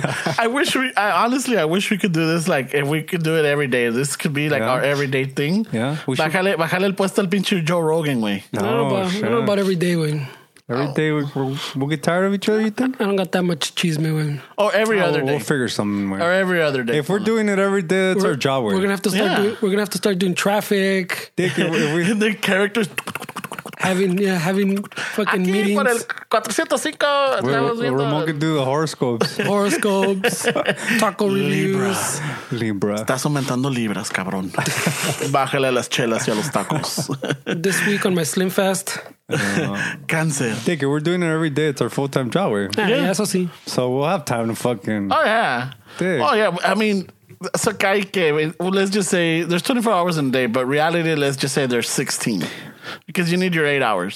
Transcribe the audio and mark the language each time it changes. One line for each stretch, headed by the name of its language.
English: I honestly wish we could do this, like, if we could do it every day. This could be, like, our everyday thing. Yeah.
Spanish: Bajale el puesto al pinche Joe Rogan, güey.
English: I don't know about every day, güey. Every day, we'll get tired of each other, you think? I don't got that much cheese, me, man. Or every other day. We'll figure something. Or every other day. If we're doing it every day, that's our job. We're going to have to start doing traffic. The characters. having fucking meetings.
Spanish: Por el 405,
English: Ramon could do the horoscopes. taco reviews. Libra.
Spanish: Estás aumentando libras, cabrón. Bájale a las chelas y a los tacos.
English: This week on my Slim Fest. Cancer. Take it. We're doing it every day. It's our full time job.
Spanish: Yeah, eso sí.
English: So we'll have time to fucking. Oh, yeah. I mean, so guy came. Well, let's just say there's 24 hours in a day, but reality, let's just say there's 16. Because you need your 8 hours.